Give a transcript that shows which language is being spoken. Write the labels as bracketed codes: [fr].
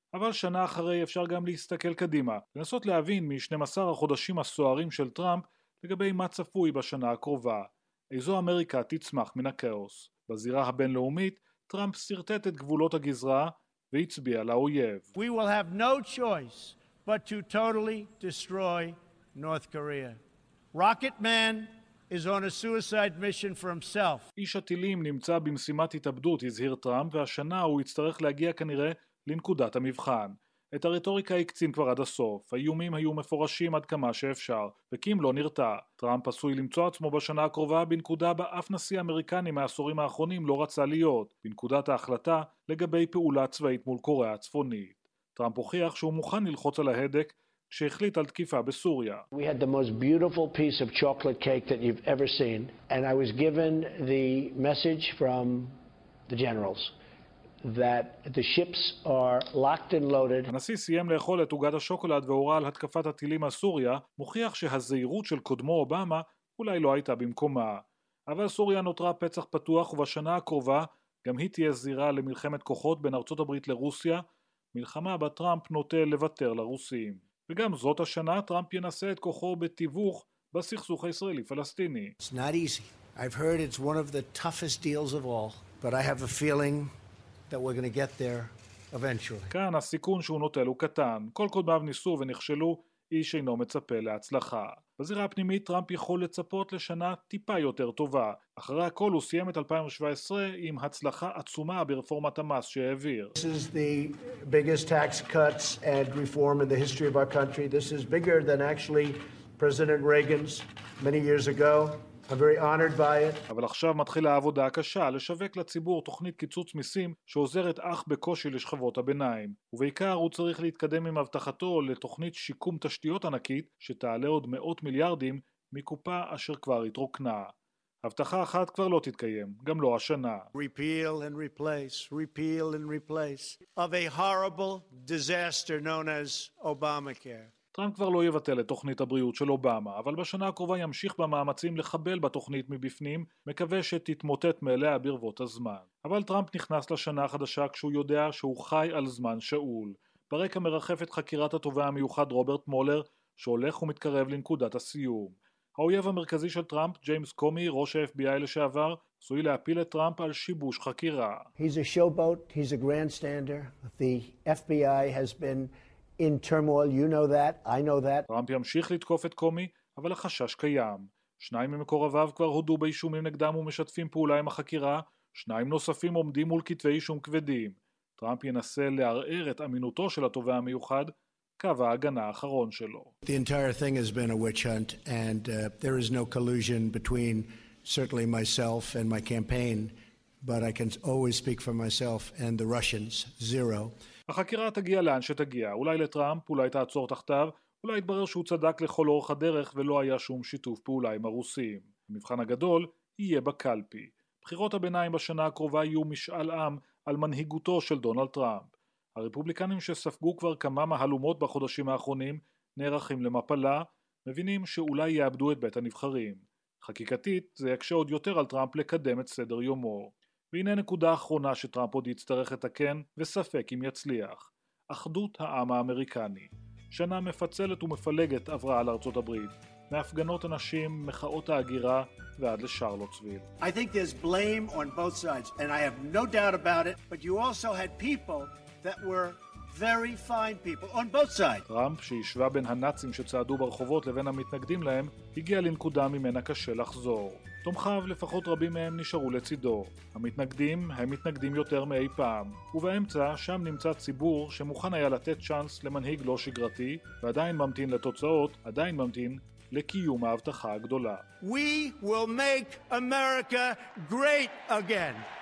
[he] אבל שנה אחרי אפשר גם להסתכל קדימה, לנסות להבין מ-12 החודשים הסוערים של טראמפ לגבי מה צפוי בשנה הקרובה. איזו אמריקה תצמח מן הכאוס? בזירה הבינלאומית, טראמפ סרטט את גבולות הגזרה והצביע לאויב. [en] We will have no choice but to totally destroy North Korea. Rocket Man is on a suicide mission for himself. [he] איש הטילים נמצא במשימת התאבדות, הזהיר טראמפ, והשנה הוא יצטרך להגיע כנראה לנקודת המבחן. את הרטוריקה הקצין כבר עד הסוף, האיומים היו מפורשים עד כמה שאפשר, וקים לא נרתע. טראמפ עשוי למצוא עצמו בשנה הקרובה בנקודה באף נשיא אמריקני מהעשורים האחרונים לא רצה להיות, בנקודת ההחלטה לגבי פעולה צבאית מול קוריאה הצפונית. טראמפ הוכיח שהוא מוכן ללחוץ על ההדק כשהחליט על תקיפה בסוריה. [en] We had the most beautiful piece of chocolate cake that you've ever seen, and I was given the message from the generals. that the ships are locked and loaded. [he] הנשיא סיים לאכול את עוגת השוקולד והורה על התקפת הטילים הסוריה, מוכיח שהזהירות של קודמו אובמה אולי לא הייתה במקומה. אבל סוריה נותרה פצח פתוח, ובשנה הקרובה גם היא תהיה זירה למלחמת כוחות בין ארצות הברית לרוסיה, מלחמה בה טראמפ נוטה לוותר לרוסים. וגם זאת השנה טראמפ ינסה את כוחו בתיווך בסכסוך הישראלי-פלסטיני. [en] It's not easy. I've heard it's one of the toughest deals of all, but I have a feeling that we're going to get there eventually. [he] כאן הסיכון שהוא נוטל הוא קטן. כל קודמיו ניסו ונכשלו, איש אינו מצפה להצלחה. בזירה הפנימית טראמפ יכול לצפות לשנה טיפה יותר טובה. אחרי הכל הוא סיים את 2017 עם הצלחה עצומה ברפורמת המס שהעביר. [en] This is the biggest tax cuts and reform in the history of our country. This is bigger than actually President Reagan's many years ago. I'm very honored by it. [he] אבל עכשיו מתחילה העבודה הקשה, לשווק לציבור תוכנית קיצוץ מיסים שעוזרת אך בקושי לשכבות הביניים. ובעיקר הוא צריך להתקדם עם הבטחתו לתוכנית שיקום תשתיות ענקית שתעלה עוד מאות מיליארדים מקופה אשר כבר התרוקנה. הבטחה אחת כבר לא תתקיים, גם לא השנה. [en] Repeal and replace, repeal and replace of a horrible disaster known as Obamacare. [he] טראמפ כבר לא יבטל את תוכנית הבריאות של אובמה, אבל בשנה הקרובה ימשיך במאמצים לחבל בתוכנית מבפנים, מקווה שתתמוטט מאליה ברבות הזמן. אבל טראמפ נכנס לשנה החדשה כשהוא יודע שהוא חי על זמן שאול. ברקע מרחפת חקירת התובע המיוחד רוברט מולר, שהולך ומתקרב לנקודת הסיום. האויב המרכזי של טראמפ, ג'יימס קומי, ראש ה-FBI לשעבר, עשוי להפיל את טראמפ על שיבוש חקירה. [en] He's a showboat, he's a grandstander. The FBI has been in turmoil, you know that, I know that. [he] טראמפ ימשיך לתקוף את קומי, אבל החשש קיים. שניים ממקורביו כבר הודו באישומים נגדם ומשתפים פעולה עם החקירה, שניים נוספים עומדים מול כתבי אישום כבדים. טראמפ ינסה לערער את אמינותו של התובע המיוחד, קו ההגנה האחרון שלו. [en] The entire thing has been a witch hunt, and there is no collusion between certainly myself and my campaign, but I can always speak for myself and the Russians, zero. [he] החקירה תגיע לאן שתגיע, אולי לטראמפ, אולי תעצור תחתיו, אולי יתברר שהוא צדק לכל אורך הדרך ולא היה שום שיתוף פעולה עם הרוסים. המבחן הגדול יהיה בקלפי. בחירות הביניים בשנה הקרובה יהיו משאל עם על מנהיגותו של דונלד טראמפ. הרפובליקנים שספגו כבר כמה מהלומות בחודשים האחרונים נערכים למפלה, מבינים שאולי יאבדו את בית הנבחרים. חקיקתית זה יקשה עוד יותר על טראמפ לקדם את סדר יומו. והנה נקודה אחרונה שטראמפ עוד יצטרך לתקן, וספק אם יצליח. אחדות העם האמריקני. שנה מפצלת ומפלגת עברה על ארצות הברית. מהפגנות אנשים, מחאות ההגירה, ועד לשרלוטסוויל. [en] I think there's blame on both sides, and I have no doubt about it, but you also had people that were very fine people on both sides. [he] טראמפ, שישבה בין הנאצים שצעדו ברחובות לבין המתנגדים להם, הגיע לנקודה ממנה קשה לחזור. תומכיו, לפחות רבים מהם נשארו לצידו. המתנגדים, הם מתנגדים יותר מאי פעם. ובאמצע, שם נמצא ציבור שמוכן היה לתת צ'אנס למנהיג לא שגרתי, ועדיין ממתין לתוצאות, עדיין ממתין לקיום ההבטחה הגדולה. [en] We will make America great again.